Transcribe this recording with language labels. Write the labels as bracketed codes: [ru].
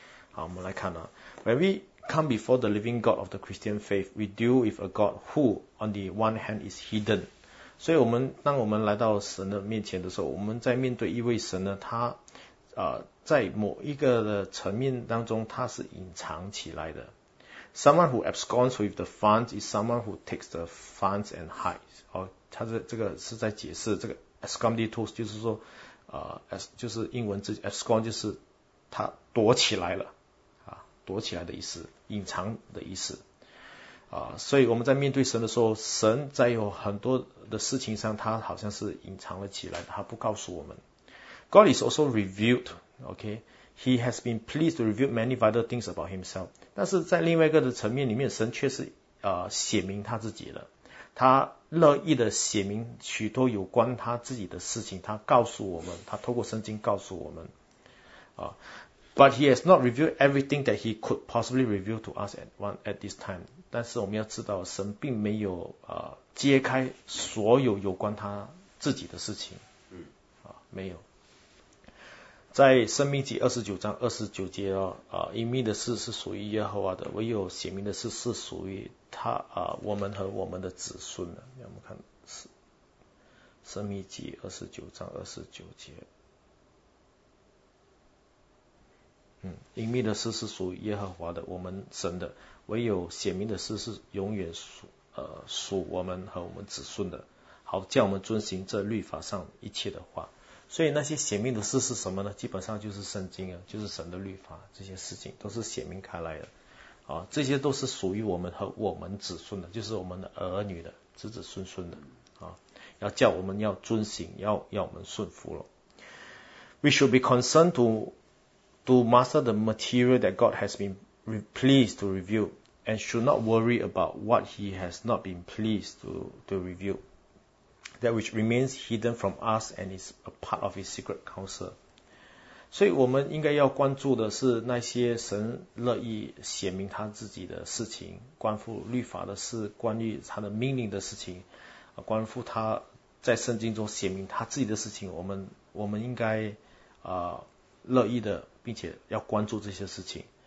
[zh] 好，我们来看呢 [en] ，When we come before the living God of the Christian faith, we deal with a God who, on the one hand, is hidden. [zh] 所以，当我们来到神的面前的时候，我们在面对一位神呢，他在某一个的层面当中，他是隐藏起来的。 [en] Someone who absconds with the funds is someone who takes the funds and hides. [zh] 哦，他这个是在解释这个 absconditus， 就是说就是英文字 abscond 就是他躲起来了啊，躲起来的意思，隐藏的意思啊。所以我们在面对神的时候，神在有很多的事情上，他好像是隐藏了起来，他不告诉我们。 [en] God is also revealed. Okay, He has been pleased to reveal many vital things about Himself. [zh] 但是在另外一个的层面里面，神却是显明他自己了。他乐意的显明许多有关他自己的事情，他告诉我们，他透过圣经告诉我们。 [en] But He has not revealed everything that He could possibly reveal to us at this time. [zh] 但是我们要知道，神并没有揭开所有有关他自己的事情。没有。在生命记29:29隐秘的事是属于耶和华的，唯有显明的事是属于他我们和我们的子孙的。我们看生命记29:29隐秘的事是属于耶和华的，我们神的，唯有显明的事是永远属我们和我们子孙的，好叫我们遵行这律法上一切的话。所以那些显明的事是什么呢？基本上就是圣经啊，就是神的律法，这些事情都是显明开来的啊，这些都是属于我们和我们子孙的，就是我们的儿女的子子孙孙的啊，要叫我们要遵行，要我们顺服了。 [en] We should be concerned to master the material that God has been pleased to reveal, and should not worry about what He has not been pleased to reveal. That which remains hidden from us and is a part of His secret counsel. [zh] 所以我们应该要关注的是那些神乐意显明他自己的事情，关乎律法的事，关于他的命令的事情，关乎他在圣经中显明他自己的事情，我们应该乐意的，并且要关注这些事情。